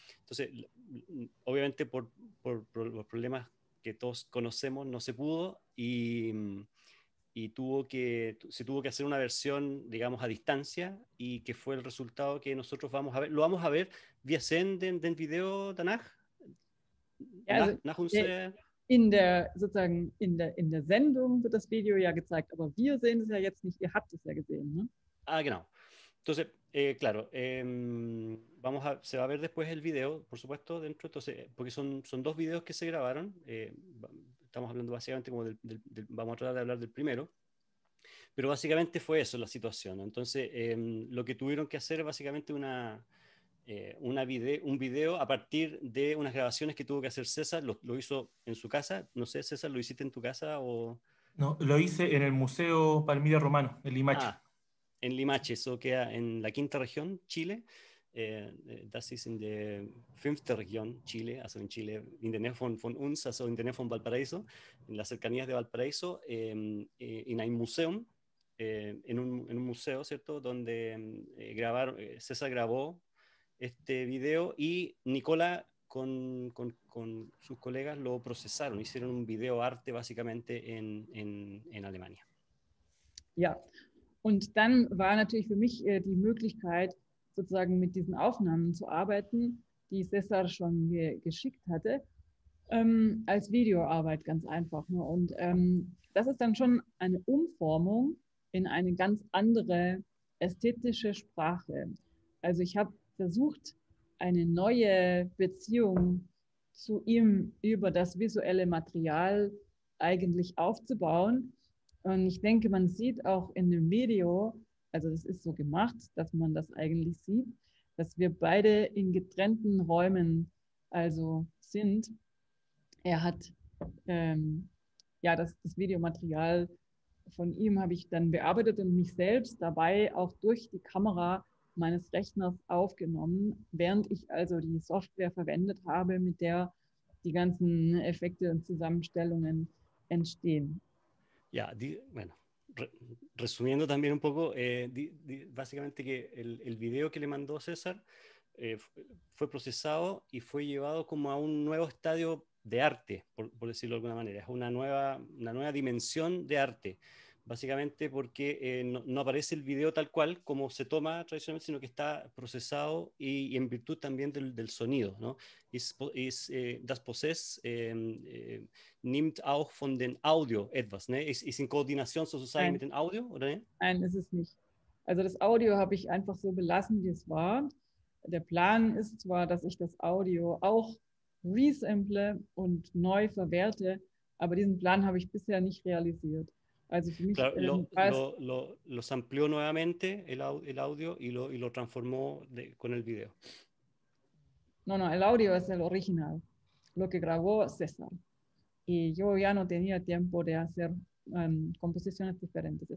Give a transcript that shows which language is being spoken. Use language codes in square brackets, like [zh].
[es] Entonces, obviamente por los problemas que todos conocemos, no se pudo y se tuvo que hacer una versión, digamos, a distancia, y que fue el resultado que nosotros vamos a ver. ¿Lo vamos a ver vía Zoom del video, Danach? [de] Ja, also, in der Sendung wird das Video ja gezeigt, aber wir sehen es ja jetzt nicht, ihr habt es ja gesehen, ¿no? Ah, genau. [es] Entonces, claro, se va a ver después el video, por supuesto, dentro, entonces, porque son dos videos que se grabaron, estamos hablando básicamente como del, vamos a tratar de hablar del primero, pero básicamente fue eso la situación, ¿no? Entonces, lo que tuvieron que hacer es básicamente un video a partir de unas grabaciones que tuvo que hacer César, lo hizo en su casa, no sé, César, ¿lo hiciste en tu casa o...? No, lo hice en el Museo Palmira Romano, en Limache. En Limache, eso queda en la quinta región, Chile. [de] Das ist in der fünfte Region, Chile, also in Chile, in der Nähe von uns, also in der Nähe von Valparaíso, [es] en las cercanías de Valparaíso, [de] in einem Museum, [es] en un museo, ¿cierto? Donde César grabó este video y Nicola con sus colegas lo procesaron, hicieron un video arte básicamente en Alemania. [de] Ja. Yeah. Und dann war natürlich für mich die Möglichkeit, sozusagen mit diesen Aufnahmen zu arbeiten, die César schon geschickt hatte, als Videoarbeit ganz einfach. Ne? Und das ist dann schon eine Umformung in eine ganz andere ästhetische Sprache. Also ich habe versucht, eine neue Beziehung zu ihm über das visuelle Material eigentlich aufzubauen. Und ich denke, man sieht auch in dem Video, also das ist so gemacht, dass man das eigentlich sieht, dass wir beide in getrennten Räumen also sind. Er hat das Videomaterial von ihm habe ich dann bearbeitet und mich selbst dabei auch durch die Kamera meines Rechners aufgenommen, während ich also die Software verwendet habe, mit der die ganzen Effekte und Zusammenstellungen entstehen. [es] Ja, bueno, resumiendo también un poco, básicamente que el video que le mandó César fue procesado y fue llevado como a un nuevo estadio de arte, por decirlo de alguna manera. Es una nueva dimensión de arte, básicamente porque no aparece el video tal cual como se toma tradicionalmente, sino que está procesado y en virtud también del sonido, ¿no? [de] Das Prozess nimmt auch von den Audio etwas, ne? Ist in Koordination sozusagen mit dem Audio, oder? Nein, ist es nicht. Also das Audio habe ich einfach so belassen, wie es war. Der Plan ist zwar, dass ich das Audio auch resample und neu verwerte, aber diesen Plan habe ich bisher nicht realisiert. Also für mich [es] claro, lo amplió nuevamente el audio y lo transformó con el video. No, no, el audio es el original, lo que grabó César. Y yo ya no tenía tiempo de hacer composiciones diferentes.